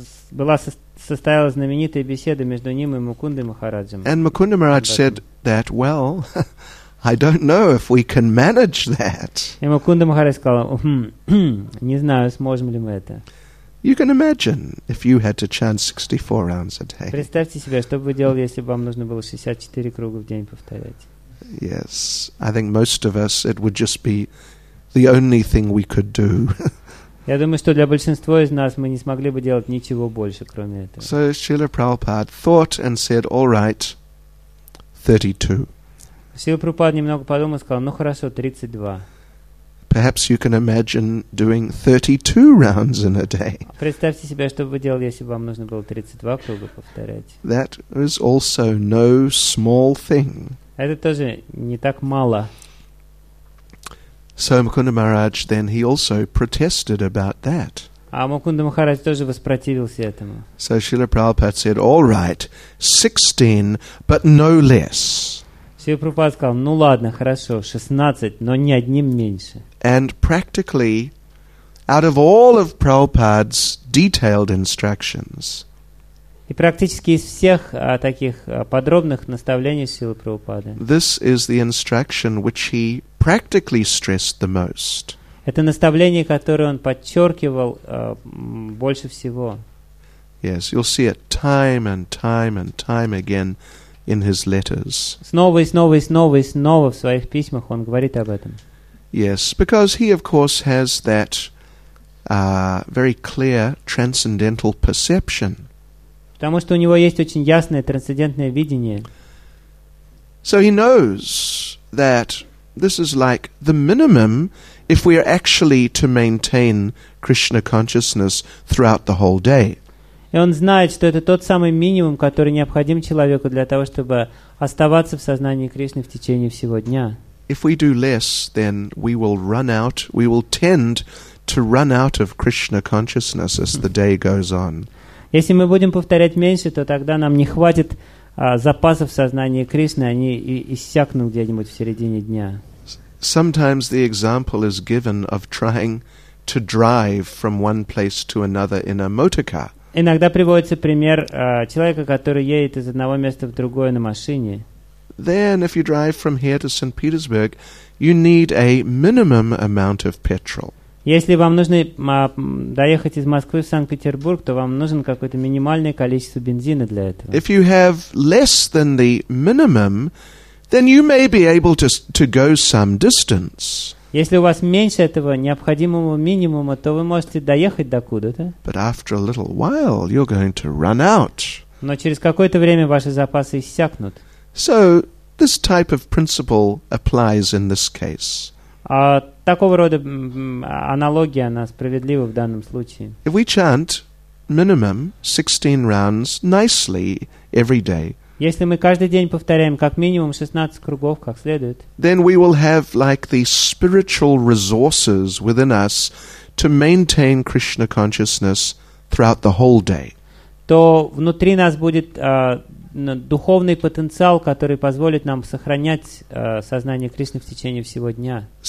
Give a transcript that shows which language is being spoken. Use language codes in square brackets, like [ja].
[ru] Была состояла знаменитая беседа между ним и Мукундой Махараджем. [en] And Mukunda Maharaj said that, well, I don't know if we can manage that. [ru] И Мукунда Махарадж сказал, не знаю, сможем ли мы это. [en] You can imagine if you had to chant 64 rounds a day. [ru] Представьте себе, что бы вы делали, если бы вам нужно было 64 круга в день повторять. [en] Yes, I think most of us, it would just be the only thing we could do. [ru] Я думаю, что для большинства из нас мы не смогли бы делать ничего больше, кроме этого. [en] So Srila Prabhupada thought and said, all right, 32. [ru] Srila Prabhupada немного подумал и сказал, ну хорошо, 32. [en] Perhaps you can imagine doing 32 rounds in a day. [ru] Представьте себе, что бы вы делали, если бы вам нужно было 32 круга повторять. [en] That is also no small thing. [ru] Это тоже не так мало. [en] So Mukunda Maharaj then he also protested about that. [ru] А Мукунда Махарадж тоже воспротивился этому. [en] So Srila Prabhupada said, all right, 16, but no less. [ru] Srila Prabhupada сказал, ну ладно, хорошо, 16, но ни одним меньше. [en] And practically, out of all of Prabhupada's detailed instructions, [ru] И практически из всех таких подробных наставлений Шрилы Прабхупады. [en] This is the instruction which he practically stressed the most. [ru] Это наставление, которое он подчеркивал больше всего. [en] Yes, you'll see it time and time and time again in his letters. [ru] Снова и снова и снова и снова в своих письмах он говорит об этом. [en] Yes, because he, of course, has that very clear transcendental perception. [ru] Потому что у него есть очень ясное трансцендентное видение. [en] So he knows that this is like the minimum if we are actually to maintain Krishna consciousness throughout the whole day. [ru] И он знает, что это тот самый минимум, который необходим человеку для того, чтобы оставаться в сознании Кришны в течение всего дня. [en] If we do less, then we will run out, we will tend to run out of Krishna consciousness as the day goes on. [ru] Если мы будем повторять меньше, то тогда нам не хватит запасов сознания Кришны, они иссякнут где-нибудь в середине дня. [en] Sometimes the example is given of trying to drive from one place to another in a motor car. [ru] Иногда приводится пример человека, который едет из одного места в другое на машине. [en] Then, if you drive from here to St. Petersburg, you need a minimum amount of petrol. [ru] Если вам нужно доехать из Москвы в Санкт-Петербург, то вам нужен какое-то минимальное количество бензина для этого. [en] If you have less than the minimum, then you may be able to go some distance. [ru] Если у вас меньше этого необходимого минимума, то вы можете доехать докуда-то. [en] But after a little while, you're going to run out. [ru] Но через какое-то время ваши запасы иссякнут. [en] So this type of principle applies in this case. [ru] Такого рода аналогия она справедлива в данном случае. [en] If we chant minimum 16 rounds nicely every day. [ru] Если мы каждый день повторяем как минимум 16 кругов, как следует. [en] Then we will have like the spiritual resources within us to maintain Krishna consciousness throughout the whole day. [ru] То внутри нас будет духовный потенциал, который позволит нам сохранять сознание Кришны в течение всего дня.